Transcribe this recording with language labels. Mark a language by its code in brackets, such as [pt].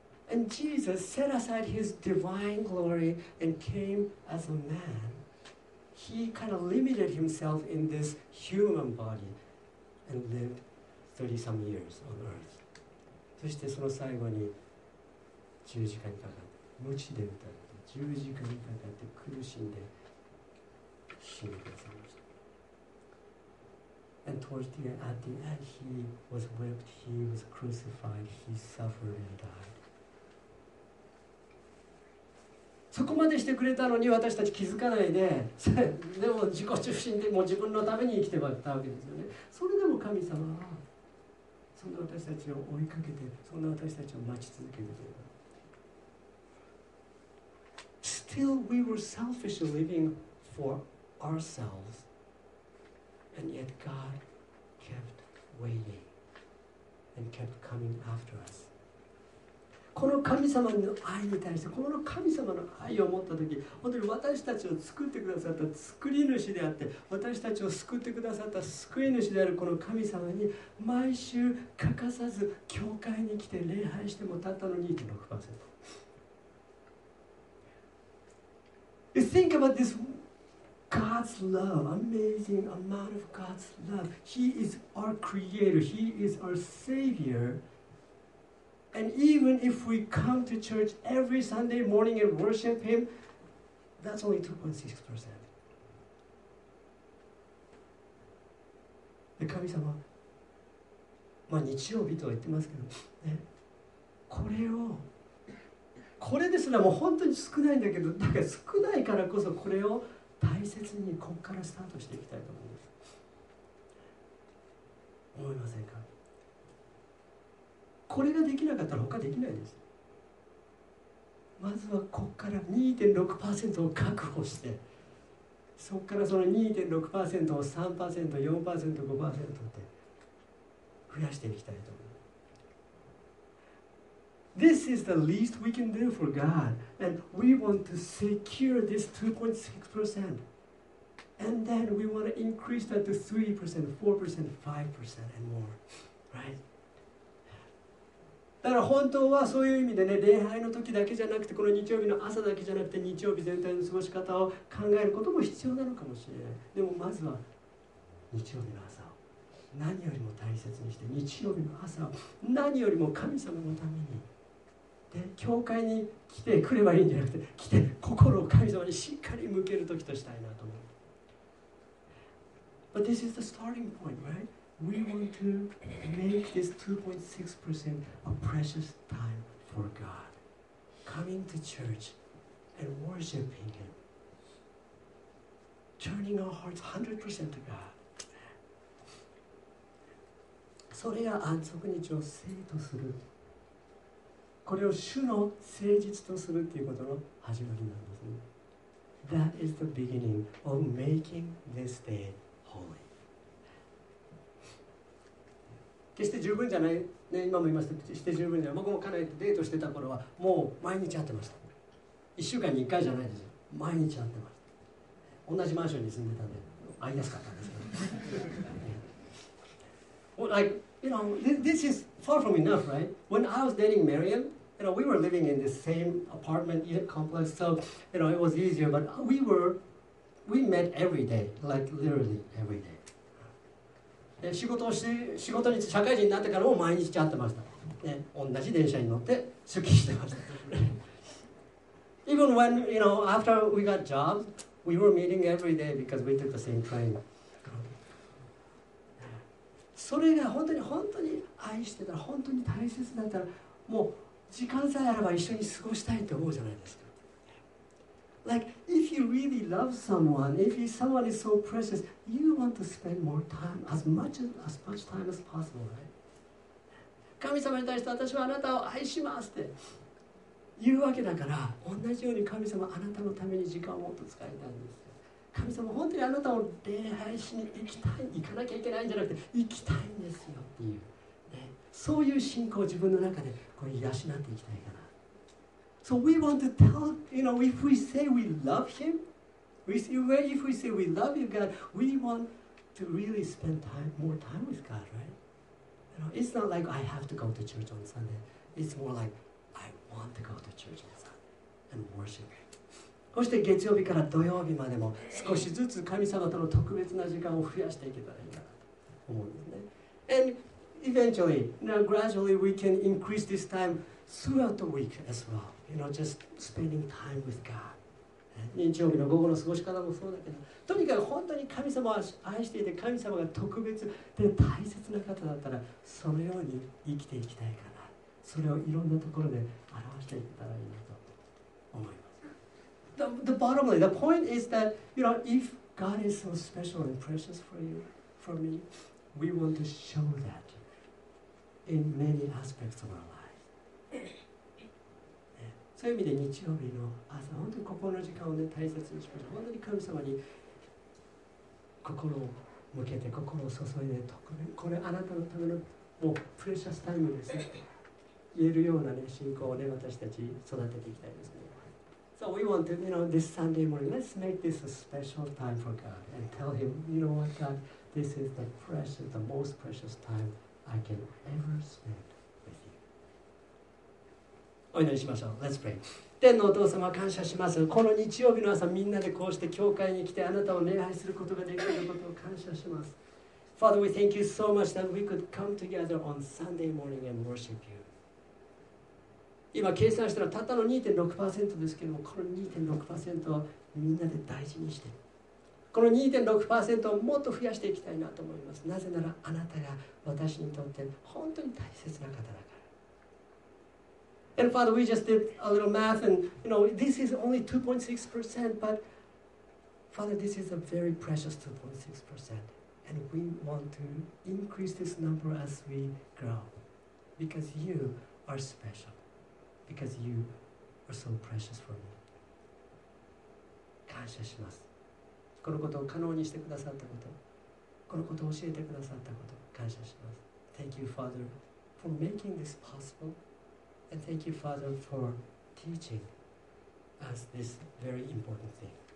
[en] And Jesus set aside his divine glory and came as a man. He kind of limited himself in this human body and lived 30 some years on earth. [ja] そしてその最後に十字架にかかって、無知で打たれて、十字架にかかって苦しんで死にかかりました。 [en] And towards the end, at the end, he was whipped, he was crucified, he suffered and died. [ja] そこまでしてくれたのに私たち気づかないで、でも自己中心でもう自分のために生きてばったわけですよね。それでも神様はそんな私たちを追いかけて、そんな私たちを待ち続けてくれた。 [en] Still, we were selfishly living for ourselves, and yet God kept waiting and kept coming after us. [ja] この神様の愛に対して、この神様の愛を持ったとき、本当に私たちを作ってくださった作り主であって、私たちを救ってくださった救い主であるこの神様に、毎週欠かさず教会に来て礼拝してもたったのに 2.6%。 [en] You think about this God's love, amazing amount of God's love. He is our creator, He is our savior. And even if we come to church every Sunday morning and worship Him, that's only 2.6%. [ja] 神様、まあ日曜日とは言ってますけど、ね、これをこれですらもう本当に少ないんだけど、だから少ないからこそこれを大切にここからスタートしていきたいと思います。思いませんか? これができなかったら他できないです。まずはここから 2.6% を確保して、そこからその 2.6% を 3%、4%、5% って増やしていきたいと思う。 [en] This is the least we can do for God, and we want to secure this 2.6%. And then we want to increase that to 3%, 4%, 5% and more, right? [ja] だから本当はそういう意味でね、礼拝の時だけじゃなくて、この日曜日の朝だけじゃなくて、日曜日全体の過ごし方を考えることも必要なのかもしれない。でもまずは日曜日の朝を何よりも大切にして、日曜日の朝を何よりも神様のために、で、教会に来てくればいいんじゃなくて、来て心を神様にしっかり向ける時としたいなと思う。 [en] But this is the starting point, right? We want to make this 2.6% a precious time for God. Coming to church and worshiping Him. Turning our hearts 100% to God. [ja] それが安息日を聖とする。これを主の聖日とするということの始まりなんですね。 [en] That is the beginning of making this day holy. [ja] 決して十分じゃない、ね、今も言いました、して十分じゃない。僕もかなりデートしてた頃はもう毎日会ってました。 1週間に1回じゃないですよ、毎日会ってます。同じマンションに住んでたんで会いやすかったんですけど、 [en] well, like, you know, this is far from enough, right? When I was dating Miriam, you know, we were living in the same apartment complex, so you know, it was easier, but we met every day, like literally every day. [ja] 仕事をして、仕事に社会人になってからも毎日会ってました、ね、同じ電車に乗って出勤してました。 [en] Even when, you know, after we got jobs, we were meeting every day because we took the same train. [ja] それが本当に本当に愛してたら、本当に大切だったら、もう時間さえあれば一緒に過ごしたいって思うじゃないですか。 [en] Like, if you really love someone, if someone is so precious, you want to spend more time, as much time as possible, right? [ja] 神様に対して私はあなたを愛しますって言うわけだから、同じように神様あなたのために時間をもっと使いたいんですよ。神様本当にあなたを礼拝しに行きたい、行かなきゃいけないんじゃなくて、行きたいんですよっていう、ね、そういう信仰を自分の中でこう養っていきたいから。 [en] So we want to tell, you know, if we say we love Him, if we say we love you, God, we want to really spend time, more time with God, right? You know, it's not like I have to go to church on Sunday. It's more like I want to go to church on Sunday and worship Him. [ja] そして月曜日から土曜日までも少しずつ神様との特別な時間を増やしていけたらいいかなと思うんですね。 [en] And eventually, now gradually we can increase this time throughout the week as well. You know, just spending time with God. [ja] 日曜日の午後の過ごし方もそうだけど、とにかく本当に神様を愛していて、神様が特別で大切な方だったら、そのように生きていきたいかな。それをいろんなところで表していったらいいなと思います。 [en] The bottom line, the point is that, you know, if God is so special and precious for you, for me, we want to show that in many aspects of our lives. [ja] そういう意味で日曜日の朝、本当にここの時間を、ね、大切にしましょう。本当に神様に心を向けて、心を注いで、これあなたのためのもうプレシャスタイムですって言えるような、ね、信仰を、ね、私たち育てていきたいですね。 [en] So we want to, you know, this Sunday morning, let's make this a special time for God and tell Him, you know what, God, this is the precious, the most precious time I can ever spend. [ja] お祈りしましょう。 [en] Let's pray. [ja] 天のお父様、感謝します。この日曜日の朝、みんなでこうして教会に来てあなたを礼拝することができることを感謝します。 [en] Father, we thank you so much that we could come together on Sunday morning and worship you. [ja] 今計算したらたったの 2.6% ですけども、この 2.6% をみんなで大事にして、この 2.6% をもっと増やしていきたいなと思います。なぜならあなたが私にとって本当に大切な方だ。 [en] And Father, we just did a little math, and you know, this is only 2.6%, but Father, this is a very precious 2.6%, and we want to increase this number as we grow, because you are special, because you are so precious for me. [ja] 感謝します。このことを可能にしてくださったこと、このことを教えてくださったこと、感謝します。 [en] Thank you, Father, for making this possible. And thank you, Father, for teaching us this very important thing.